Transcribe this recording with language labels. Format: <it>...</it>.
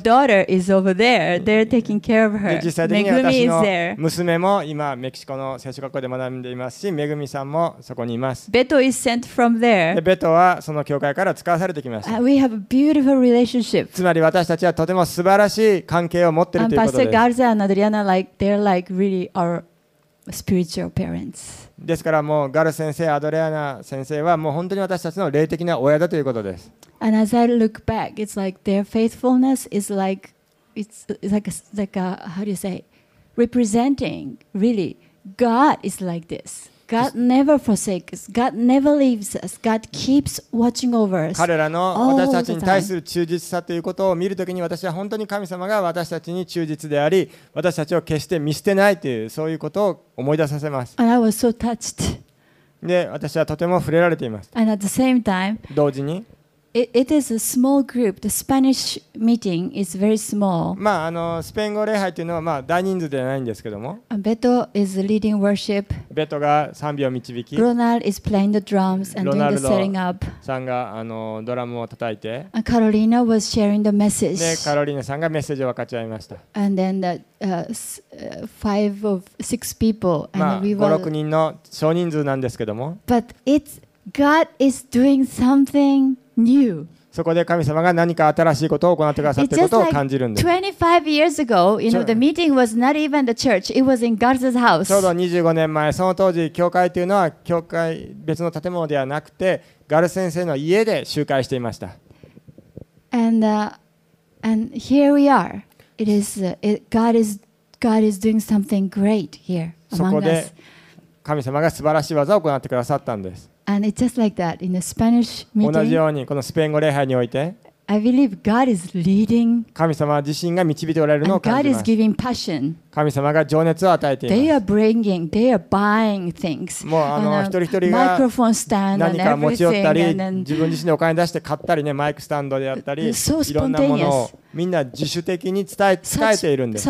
<en>Our daughter is over there. They're taking care of her.</en> <ja>で実際的に私の娘も今メキシコの聖書学校で学んでいますし、めぐみさんもそこにいます。</ja> <en>Beto is sent from there.</en> <ja>でベトはその教会から使わされてきました。</ja> <en>We have a beautiful relationship.</en> <ja>つまり私たちはとても素晴らしい関係を持っているということです。</ja> <en>And Pastor Garza and Adriana like they're like really our spiritual parents.</en> <ja>ですからもうガル先生、アドレアナ先生はもう本当に私たちの霊的な親だということです。</ja> <en>And as I look back, it's like their faithfulness is like, it's like a, how do you say, representing really God is like this. God never forsakes, God never leaves us, God keeps watching over us.</en> <ja>彼らの私たちに対する忠実さということを見るときに私は本当に神様が私たちに忠実であり、私たちを決して見捨てないというそういうことを思い出させます。</ja> <en>And I was so touched.</en> <ja>で、私はとても触れられています。</ja> <en>And at the same time,</en> <ja>同時に、</ja> <en>It is a small group. The Spanish meeting is very small.</en> <ja>まあスペイン語礼拝というのはまあ大人数ではないんですけども。</ja> <en>Beto is leading worship.</en> <ja>ベトが賛美を導き。</ja> <en>Ronald is playing the drums and doing the setting up.</en> <ja>さんがドラムを叩いて。</ja> <en>And Carolina was sharing the message.</en> <ja>で、カロリーナさんがメッセージを分かち合いました。</ja> <en>And then the five of six people.</en> <ja>まあ五六人の少人数なんですけども。</ja> <en>But it's God is doing something. New.</en> <ja>そこで神様が何か新しいことを行ってくださっていることを感じるんです。</ja> <en>25 years ago, you know, the meeting was not even the church. It was in Garza's house.</en> <ja>ちょうど25年前、その当時教会というのは教会別の建物ではなくて、ガル先生の家で集会していました。</ja> <en>And here we are. It is God is doing something great here among us.</en> <ja>そこで神様が素晴らしい技を行ってくださったんです。</ja> <en>And it's just like that in the Spanish meeting.</en> <ja>同じようにこのスペイン語礼拝において、</ja> <en>I believe God is leading.</en> <ja>神様自身が導いておられるのを感じます。</ja> <en>God is giving passion.</en> <ja>神様が情熱を与えています。</ja> <en>They are bringing, they are buying things.</en> <ja>もう一人一人が何か持ち寄ったり、自分自身でお金出して買ったりね、マイクスタンドであったり、いろんなものをみんな自主的に伝えているんです。</ja>